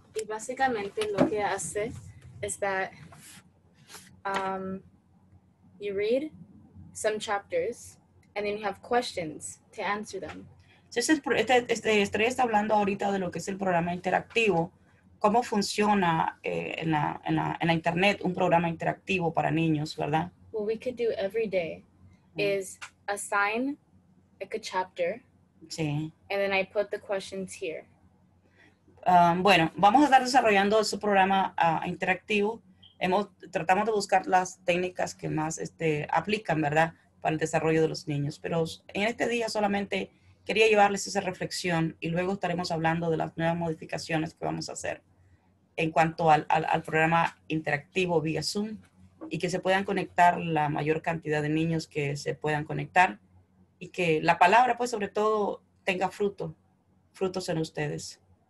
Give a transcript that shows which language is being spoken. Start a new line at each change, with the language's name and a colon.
Spanish: Y básicamente lo que hace es
English: that you read some chapters and then you have questions to answer them.
Spanish: Estrella está hablando ahorita de lo que es el programa interactivo. ¿Cómo funciona en la internet un programa interactivo para niños, verdad?
English: What we could do every day is assign like a chapter.
Spanish: Sí.
English: And then I put the questions here.
Spanish: Bueno, vamos a estar desarrollando ese programa interactivo. Tratamos de buscar las técnicas que más aplican, ¿verdad? Para el desarrollo de los niños. Pero en este día solamente quería llevarles esa reflexión y luego estaremos hablando de las nuevas modificaciones que vamos a hacer en cuanto al programa interactivo vía Zoom y que se puedan conectar la mayor cantidad de niños que se puedan conectar y que la palabra, pues, sobre todo, tenga frutos en ustedes.